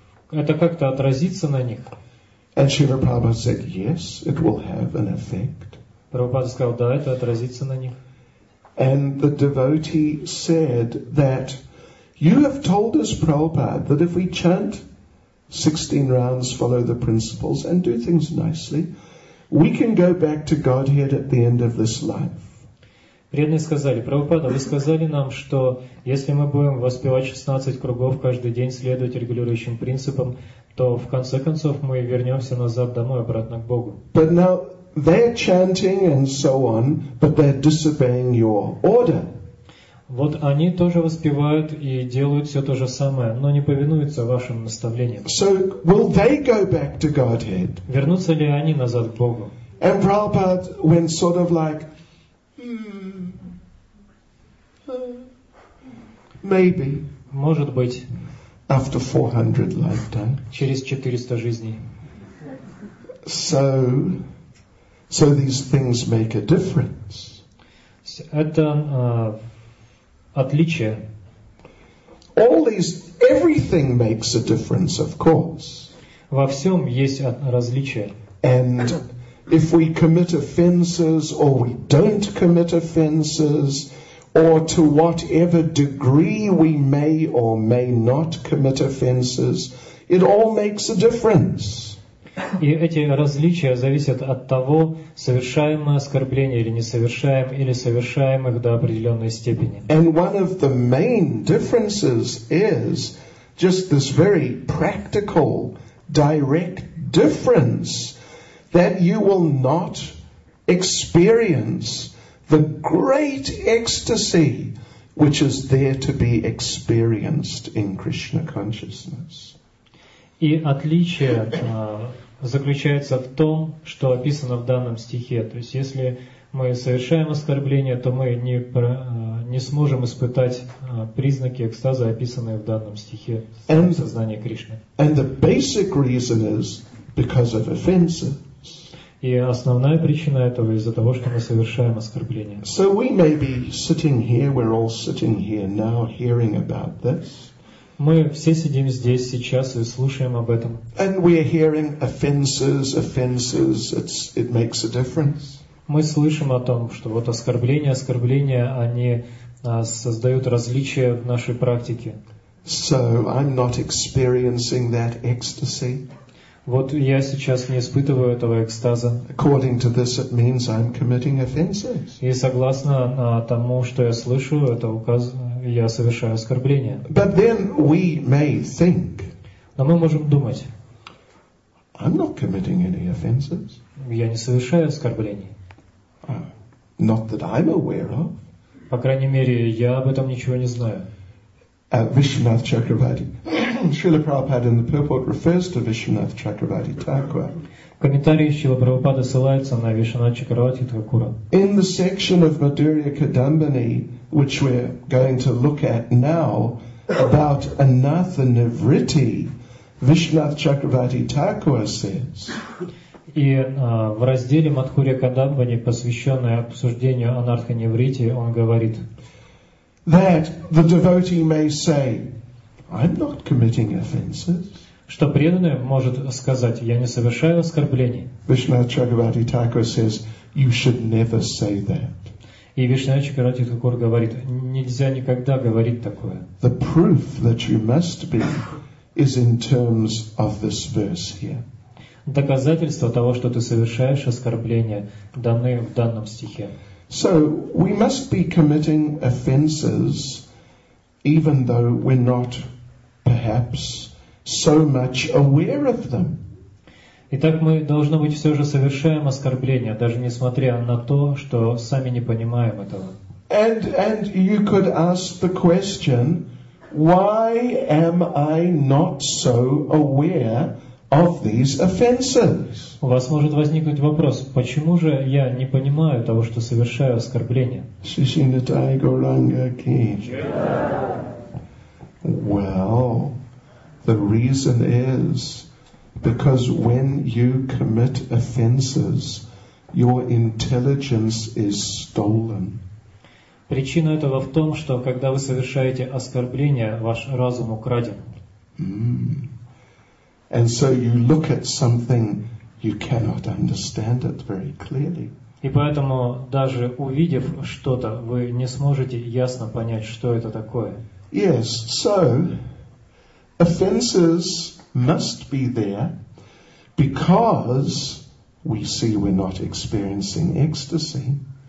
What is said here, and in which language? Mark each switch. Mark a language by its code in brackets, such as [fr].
[ru] Это как-то отразится на них? [en] And Srila Prabhupada said, yes, it will have an effect. [ru] Прабхупада сказал: да, это отразится на них. [en] And the devotee said that you have told us, Prabhupada, that if we chant 16 rounds, follow the principles, and do things nicely, we can go back to Godhead at the end of this life. [ru] Преданные сказали, Прабхупада, вы сказали нам, что если мы будем воспевать 16 кругов каждый день, следовать регулирующим принципам, то в конце концов мы вернемся назад домой, обратно к Богу. [en] But now they're chanting and so on, but they're disobeying your order. [ru] Вот они тоже воспевают и делают все то же самое, но не повинуются вашим наставлениям. [en] So will they go back to Godhead? [ru] Вернутся ли они назад к Богу? [en] And Prabhupada went sort of like, maybe. [ru] Может быть. [en] After 400 lifetime. [ru] Через 400 жизней. [en] So these things make a difference. [ru] Это отличие. [en] All these, everything makes a difference, of course. [ru] Во всем есть различие. [en] And if we commit offenses or we don't commit offenses, or to whatever degree we may or may not commit offenses, it all makes a difference. [ru] И эти различия зависят от того, совершаем мы оскорбления или не совершаем, или совершаем их до определенной степени. [en] And one of the main differences is just this very practical, direct difference that you will not experience the great ecstasy which is there to be experienced in Krishna consciousness. [ru] И отличие заключается в том, что описано в данном стихе. То есть, если мы совершаем оскорбление, то мы не сможем испытать признаки экстаза, описанные в данном стихе в сознании Кришны. [en] And the basic reason is because of offenses. [ru] И основная причина этого из-за того, что мы совершаем оскорбление. [en] So we may be sitting here, we're all sitting here now, hearing about this. [ru] Мы все сидим здесь сейчас и слушаем об этом. [en] And we are hearing offenses. It makes a difference. [ru] Мы слышим о том, что вот оскорбления, они создают различия в нашей практике. [en] So I'm not experiencing that ecstasy. [ru] Вот я сейчас не испытываю этого экстаза. [en] According to this, it means I'm committing offenses. [ru] И согласно тому, что я слышу, это указывает. Я совершаю оскорбление. [en] But then we may think, [ru] но мы можем думать, [en] I'm not committing any offenses. [ru] Я не совершаю оскорблений. [en] Not that I'm aware of. [ru] По крайней мере, я об этом ничего не знаю. [en] Vishwanath Chakravarti. Srila Prabhupada in the purport refers to Vishwanath Chakravarti Thakura. [ru] Комментарии Шрила Прабхупады ссылаются на Вишванатха Чакраварти Такура. [en] In the section of Madhurya Kadambini, which we're going to look at now, about Anatha Nivritti, Vishwanath Chakravarti Thakura says. [ru] И в разделе Мадхурья Кадамбани, посвященный обсуждению Анатха Нивритти, он говорит. [en] That the devotee may say, I'm not committing offenses. [ru] Что преданный может сказать, я не совершаю оскорблений. [en] Vishwanath Chakravarti Thakura says, you should never say that. [ru] И Вишнава Чакравати Такур говорит, нельзя никогда говорить такое. [en] The proof that you must be is in terms of this verse here. [ru] Доказательство того, что ты совершаешь оскорбление, даны в данном стихе. [en] So we must be committing offenses, even though we're not perhaps so much aware of them. [ru] Итак, мы, должно быть, все же совершаем оскорбления, даже несмотря на то, что сами не понимаем этого. [en] And you could ask the question, why am I not so aware of these offenses? [ru] У вас может возникнуть вопрос, почему же я не понимаю того, что совершаю оскорбления? Шишинатай Гауранга Ки. [en] Well, the reason is, because when you commit offenses, your intelligence is stolen. [ru] Причина этого в том, что когда вы совершаете оскорбление, ваш разум украден. [en] And so you look at something, you cannot understand it very clearly. [ru] И поэтому, даже увидев что-то, вы не сможете ясно понять, что это такое. [en] Yes, so offenses must be there because we see we're not experiencing ecstasy.